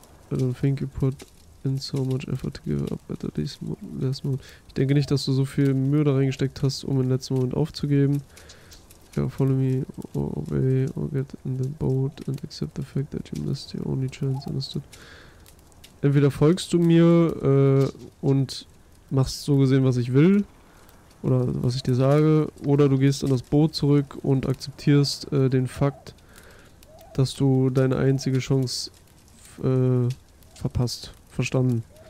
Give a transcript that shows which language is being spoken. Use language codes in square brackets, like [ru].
[en] I don't think you put in so much effort to give up at this last moment. [de] Ich denke nicht, dass du so viel Mühe da reingesteckt hast, um im letzten Moment aufzugeben. [en] Yeah, follow me or obey or get in the boat and accept the fact that you missed your only chance. Understood? [de] Entweder folgst du mir und machst so gesehen, was ich will. Oder was ich dir sage, oder du gehst in das Boot zurück und akzeptierst den Fakt, dass du deine einzige Chance verpasst. Verstanden.